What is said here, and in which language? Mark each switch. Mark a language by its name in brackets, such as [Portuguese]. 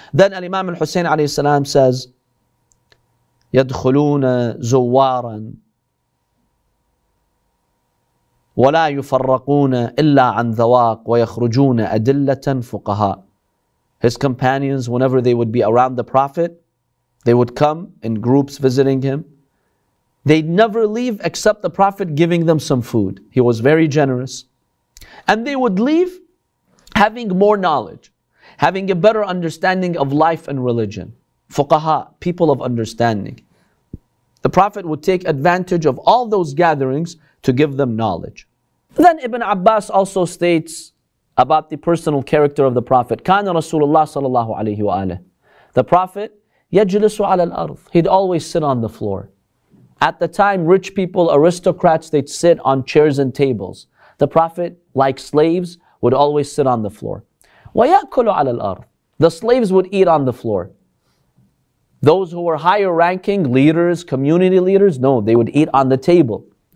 [English] Then Al-Imam Al-Husayn alayhi salam says, [Arabic] يَدْخُلُونَ زُوَّارًا وَلَا يُفَرَّقُونَ إِلَّا عَنْ ذَوَاقْ وَيَخْرُجُونَ أَدِلَّةً فُقَهَا. [English] His companions, whenever they would be around the Prophet, they would come in groups visiting him. They'd never leave except the Prophet giving them some food. He was very generous. And they would leave having more knowledge, having a better understanding of life and religion. Fuqaha, people of understanding. The Prophet would take advantage of all those gatherings to give them knowledge. Then Ibn Abbas also states about the personal character of the Prophet. [Arabic] كَانَ رَسُولُ اللَّهِ صَلَى اللَّهُ عَلَيْهِ وَآلَهِ. [English] The Prophet, [Arabic] يَجْلِسُ عَلَى الْأَرْضِ. [English] He'd always sit on the floor. At the time, rich people, aristocrats, they'd sit on chairs and tables. The Prophet, like slaves, would always sit on the floor. [Arabic] وَيَأْكُلُ عَلَى الْأَرْضِ. [English] The slaves would eat on the floor. Those who were higher ranking, leaders, community leaders, no, they would eat on the table.